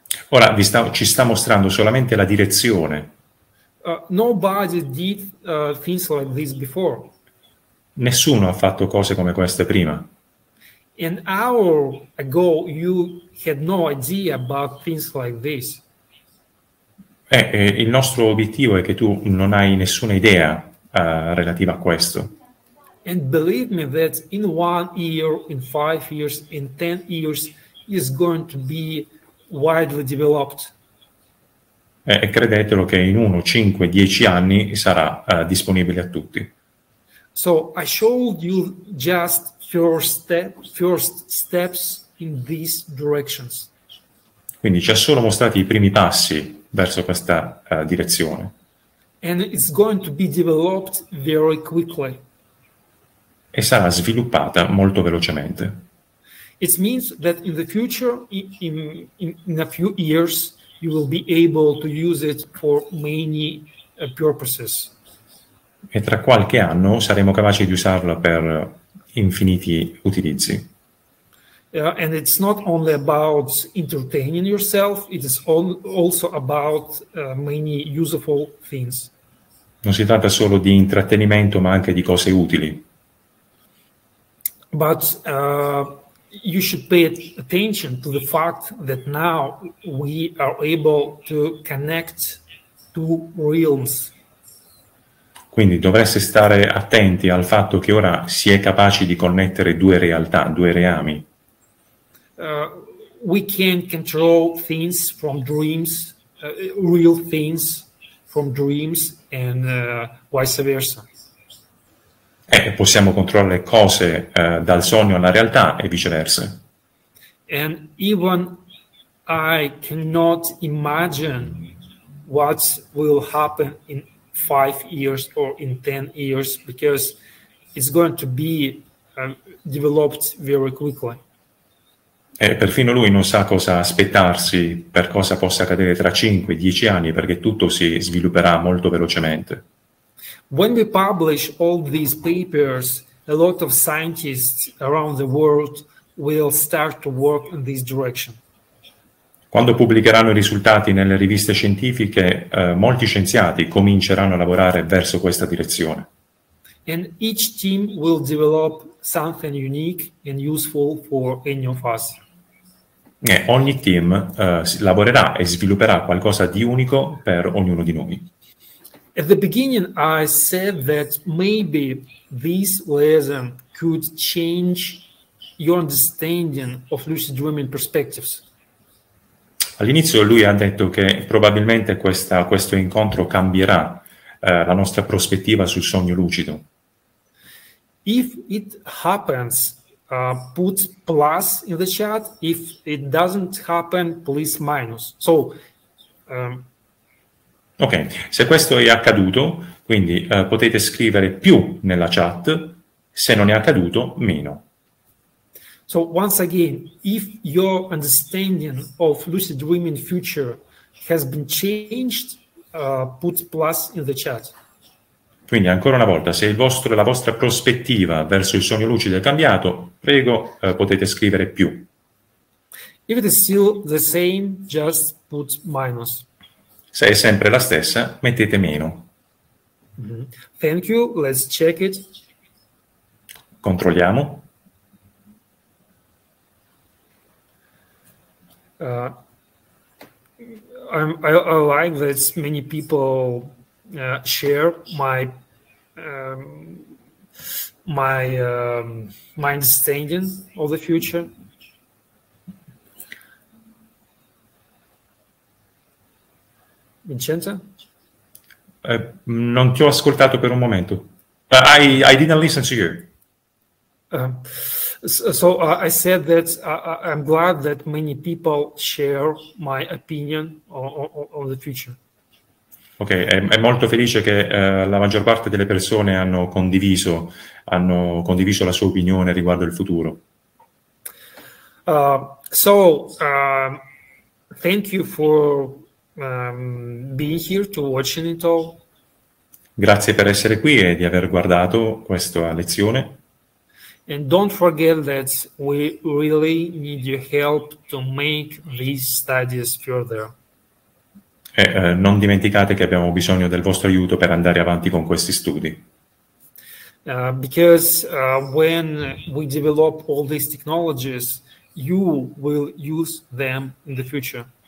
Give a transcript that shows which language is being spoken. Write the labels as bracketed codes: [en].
[it] Ora ci sta mostrando solamente la direzione. [en] Nobody did things like this before. [it] Nessuno ha fatto cose come queste prima. [en] An hour ago you had no idea about things like this. [it] Il nostro obiettivo è che tu non hai nessuna idea relativa a questo. [en] And believe me that in 1 year, in 5 years, in 10 years, it's going to be widely developed. [it] E credetelo che in 1, 5, 10 anni sarà disponibile a tutti. [en] So I showed you just first steps in these directions. [it] Quindi ci ha solo mostrati i primi passi verso questa direzione. [en] And it's going to be developed very quickly. [it] E sarà sviluppata molto velocemente. [en] It means that in the future, in a few years, you will be able to use it for many purposes. [it] E tra qualche anno saremo capaci di usarla per infiniti utilizzi. [en] And it's not only about entertaining yourself, it is also about many useful things. [it] Non si tratta solo di intrattenimento, ma anche di cose utili. [en] But you should pay attention to the fact that now we are able to connect two realms. [it] Quindi dovreste stare attenti al fatto che ora si è capaci di connettere due realtà, due reami. [en] We can control things from dreams, real things from dreams, and vice versa. [it] Possiamo controllare le cose dal sogno alla realtà e viceversa. [en] And even I cannot imagine what will happen in 5 years or in 10 years, because it's going to be developed very quickly. [it] E perfino lui non sa cosa aspettarsi, per cosa possa accadere tra 5-10 anni, perché tutto si svilupperà molto velocemente. [en] When we publish all these papers, a lot of scientists around the world will start to work in this direction. [it] Quando pubblicheranno i risultati nelle riviste scientifiche, molti scienziati cominceranno a lavorare verso questa direzione. [en] And each team will develop something unique and useful for any of us. [it] E ogni team lavorerà e svilupperà qualcosa di unico per ognuno di noi. [en] At the beginning I said that maybe this lesson could change your understanding of lucid dreaming perspectives. [it] All'inizio lui ha detto che probabilmente questo incontro cambierà la nostra prospettiva sul sogno lucido. [en] If it happens, put plus in the chat. If it doesn't happen, please minus. So [it] ok, se questo è accaduto, quindi potete scrivere più nella chat, se non è accaduto, meno. [en] So, once again, if your understanding of lucid dreaming future has been changed, put plus in the chat. [it] Quindi ancora una volta, se la vostra prospettiva verso il sogno lucido è cambiato, prego, potete scrivere più. [en] If it is still the same, just put minus. [it] Se è sempre la stessa, mettete meno. [en] Thank you, let's check it. [it] Controlliamo. [en] I like that many people share my my understanding of the future. Vincenzo? [it] Non ti ho ascoltato per un momento. [en] I didn't listen to you. I said that I'm glad that many people share my opinion on the future. [it] Ok, è molto felice che la maggior parte delle persone hanno condiviso la sua opinione riguardo il futuro. [en] Thank you for being here to watch it all. [it] Grazie per essere qui e di aver guardato questa lezione. [en] And don't forget that we really need your help to make these studies further. [it] Non dimenticate che abbiamo bisogno del vostro aiuto per andare avanti con questi studi. [en] Because when we develop all these technologies, you will use them in the future.